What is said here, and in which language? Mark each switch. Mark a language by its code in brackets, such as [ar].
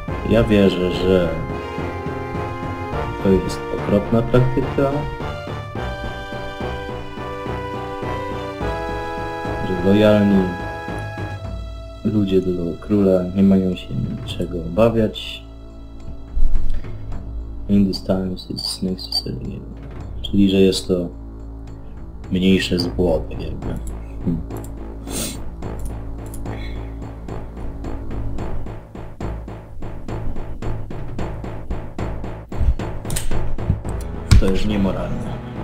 [pl] Ja wierzę, że to jest okropna praktyka, że lojalni ludzie do króla nie mają się niczego obawiać. [en] In this times it's necessary. [pl] Czyli, że jest to mniejsze zło, tak jakby. To już niemoralne.